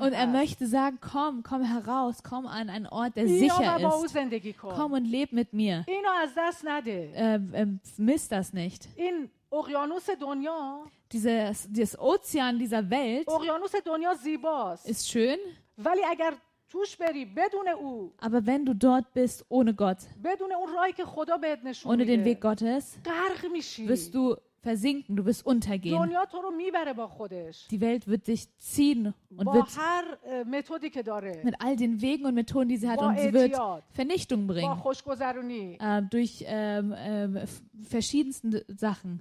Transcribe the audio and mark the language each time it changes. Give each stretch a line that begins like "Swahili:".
German: Und möchte sagen, komm heraus, komm an einen Ort, der sicher ist.
Persian: بیا با او زندگی کن.
German: Komm und leb mit mir.
Persian: اینو از دست نده.
German: Miss das nicht.
Persian: این اقیانوس دنیا.
German: Dieses Ozean dieser Welt.
Persian: اقیانوس دنیا زیباست.
German: Ist schön.
Persian: ولی اگر توش بری بدون او.
German: Aber wenn du dort bist ohne Gott.
Persian: بدون اون راهی که خدا بهت نشون میده.
German: Ohne den Weg Gottes.
Persian: غرق میشی.
German: Wirst du versinken, du wirst untergehen.
Persian: دنیا تو رو میبره با خودش.
German: Die Welt wird dich ziehen und wird.
Persian: با هر متدی که داره.
German: Mit all den Wegen und Methoden, die sie hat, und sie wird Vernichtung bringen.
Persian: با خوشگذرونی.
German: Durch verschiedensten Sachen.